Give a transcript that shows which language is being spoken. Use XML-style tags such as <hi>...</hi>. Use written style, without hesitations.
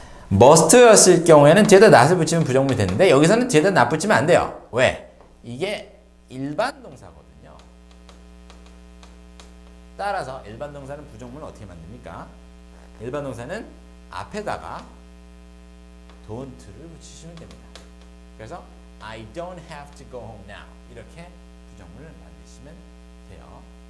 <ko>Must였을 경우에는 뒤에다 not을 붙이면 부정문이 됐는데 여기서는 뒤에다 not 붙이면 안 돼요. 왜? 이게 일반 동사거든요. 따라서 일반 동사는 부정문을 어떻게 만듭니까? 일반 동사는 앞에다가 don't를 붙이시면 됩니다.</ko> <en>그래서 I don't have to go home now.</en> <ko>이렇게 부정문을 만드시면 돼요.</ko>